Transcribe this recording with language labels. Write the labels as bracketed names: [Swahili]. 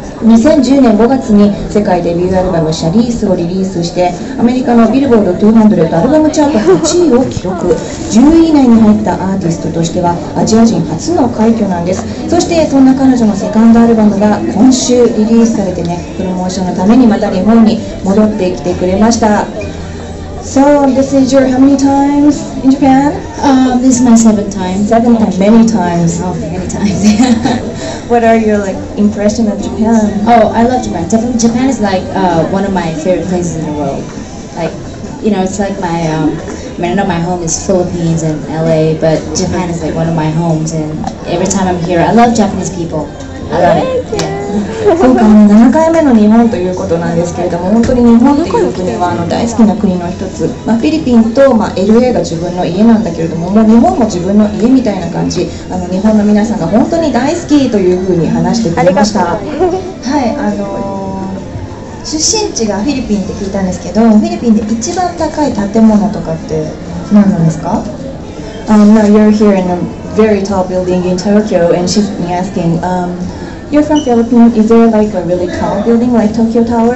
[Japanese] 2010年5月に世界デビューアルバムシャリースをリリースして、アメリカのビルボード200アルバムチャート8位を記録、10位以内に入ったアーティストとしてはアジア人初の快挙なんです。そしてそんな彼女のセカンドアルバムが今週リリースされてね、プロモーションのためにまた日本に戻ってきてくれました。 [English] So this is your how many times in Japan?、 This is my 7th time. 7th time, many times. Oh, many times, yeah. What are your like, impression of Japan? Oh, I love Japan. Definitely Japan is like one of my favorite places in the world. Like, you know, it's like my, I mean, I know my home is Philippines and LA, but Japan is like one of my homes. And every time I'm here, I love Japanese people. I love it. Yeah. [Japanese] 今回も7回目の日本ということなんですけれども、本当に日本っていう国はあの大好きな国の一つ、まあ、フィリピンとまあ LA が自分の家なんだけれども、もう日本も自分の家みたいな感じ、あの日本の皆さんが本当に大好きというふうに話してくれました。はい、出身地がフィリピンって聞いたんですけど、フィリピンで一番高い建物とかって何なんですか？ [English] No, you're here in a very tall building in Tokyo and she's been asking、You're from Philippines, is there like a really tall building like Tokyo Tower?